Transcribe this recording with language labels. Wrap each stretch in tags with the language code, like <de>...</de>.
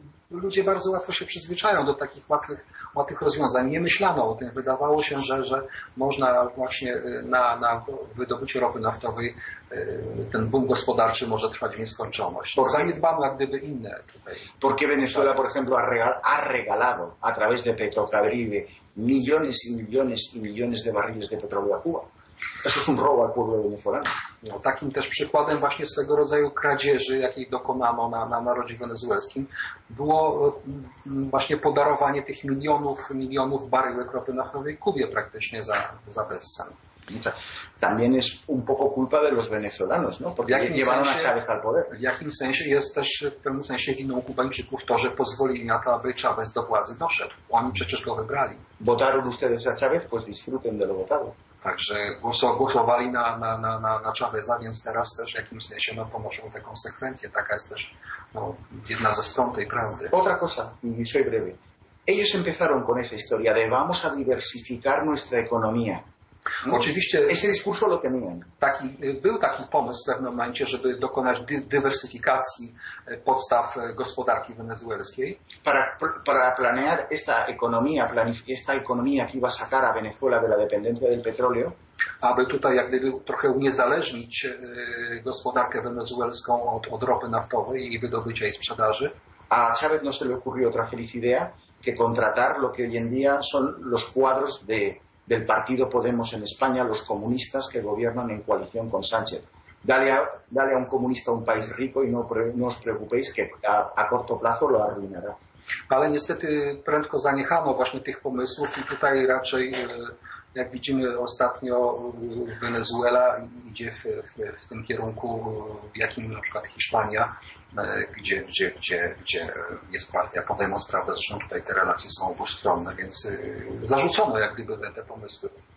<pl>Ludzie bardzo łatwo się przyzwyczają do takich łatwych rozwiązań. Nie myślano o tym. Wydawało się, że można właśnie na wydobyciu ropy naftowej ten boom gospodarczy może trwać w nieskończoność. Zaniedbano jak gdyby inne tutaj.</pl> <es>Porque Venezuela, por ejemplo, ha regalado a través de Petrocaribe millones y millones y millones de barriles de petróleo a Cuba. Eso es un robo al pueblo venezolano.</es> <pl>No, takim też przykładem właśnie swego rodzaju kradzieży, jakiej dokonano na narodzie wenezuelskim, było właśnie podarowanie tych milionów baryłek ropy naftowej Kubie praktycznie za bezcen.</pl> <es>También es un poco culpa de los venezolanos, ¿no? Porque llevaron a Chávez al poder.</es> <pl>W jakim sensie jest też w pewnym sensie winą Kubańczyków to, że pozwolili na to, aby Chávez do władzy doszedł. Oni przecież go wybrali.</pl> <es>Votaron ustedes a Chávez, pues disfruten de lo votado.</es> <pl>Także głosowali na Chaveza, więc teraz też w jakimś sensie no, pomoszą te konsekwencje. Taka jest też no, jedna ze stron tej prawdy.</pl> <es>Otra cosa, soy breve. Ellos empezaron con esa historia de vamos a diversificar nuestra economía.</es> <pl>Oczywiście</pl> <es>ese discurso lo tenían.</es> <pl>Był taki pomysł w pewnym momencie, żeby dokonać dywersyfikacji podstaw gospodarki wenezuelskiej.</pl> <es>Para planear esta economía que iba a sacar a Venezuela de la dependencia del petróleo.</es> <pl>Aby tutaj jak gdyby trochę uniezależnić gospodarkę wenezuelską od ropy naftowej i wydobycia i sprzedaży.</pl> <es>A Chávez no se le ocurrió otra feliz idea que contratar lo que hoy en día son los cuadros del partido Podemos en España, los comunistas que gobiernan en coalición con Sánchez. Dale a un comunista un país rico y no os preocupéis que a corto plazo lo arruinará.</es> <pl>Ale niestety prędko zaniechano właśnie tych pomysłów i tutaj raczej, jak widzimy ostatnio, Wenezuela idzie w tym kierunku, w jakim na przykład Hiszpania, gdzie jest partia Podemos, prawda, zresztą tutaj te relacje są obustronne, więc zarzucono jak gdyby te pomysły.</pl>